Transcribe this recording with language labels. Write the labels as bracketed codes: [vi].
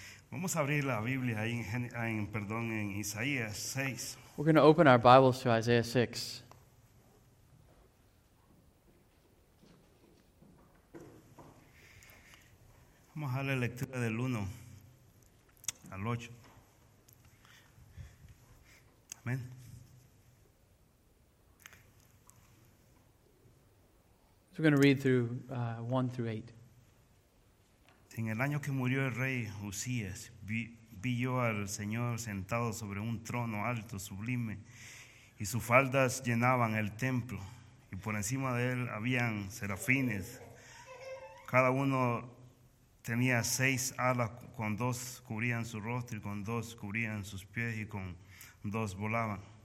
[es] Vamos a abrir la Biblia ahí en Isaías 6. [en] We're going to open our Bibles to Isaiah 6. [es] Vamos a la lectura del 1 al 8. Amén. [en] So we're going to read through 1 through 8. [es] En el año que murió el rey Usías, vi yo al Señor sentado sobre un trono alto, sublime, y sus faldas llenaban el templo, y por encima de él habían serafines. Cada uno tenía seis alas, con dos cubrían su rostro, y con dos cubrían sus pies, y con dos volaban.